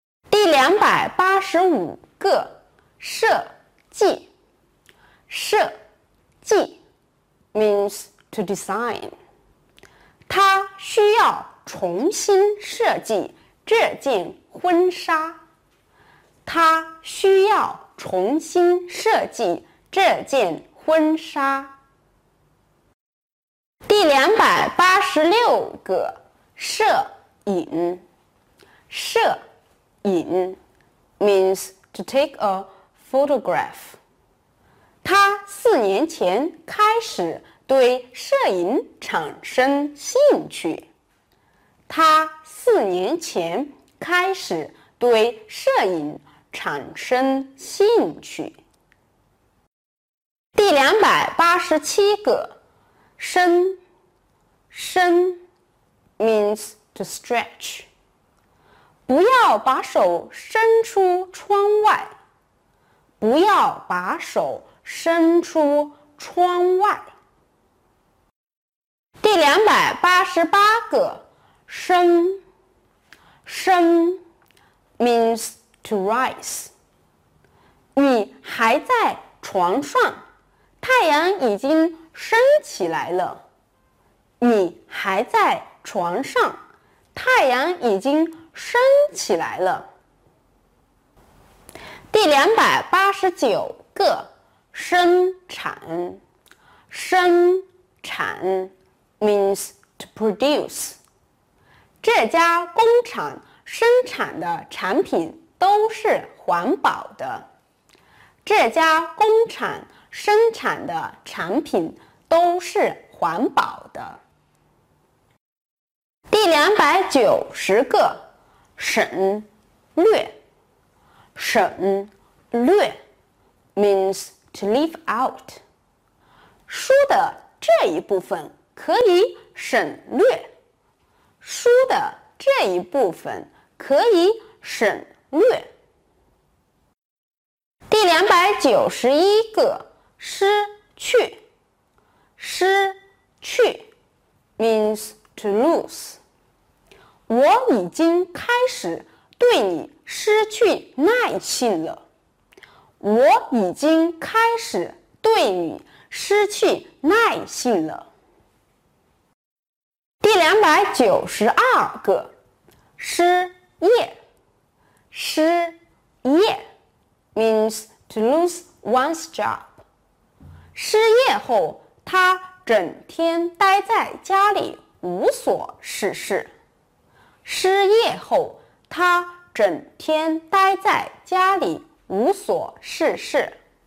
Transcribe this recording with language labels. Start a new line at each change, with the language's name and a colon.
Chinese: 第285个射计，射计
English: means to design。
Chinese: 他需要重新设计这件婚纱。他需要重新设计这件婚纱。第286个摄影，摄影
English: means to take a photograph。
Chinese: 他4年前开始对摄影产生兴趣。他4年前开始对摄影产生兴趣。第287个，伸，伸
English: means to stretch。
Chinese: 不要把手伸出窗外，不要把手伸出窗外。第288个，升，升
English: means to rise。
Chinese: 你还在床上。太阳已经升起来了，你还在床上，太阳已经升起来了。第289个生产，生产
English: means to produce。
Chinese: 这家工厂生产的产品都是环保的。这家工厂生产的产品都是环保的。第290个省略，省略
English: means to leave out。
Chinese: 书的这一部分可以省略，书的这一部分可以省略。第291个。失去，失去
English: means to lose。
Chinese: 我已经开始对你失去耐性了。我已经开始对你失去耐性了。第292个，失业，失业
English: means to lose one's job。
Chinese: 失业后，他整天待在家里无所事事。失业后，他整天待在家里无所事事。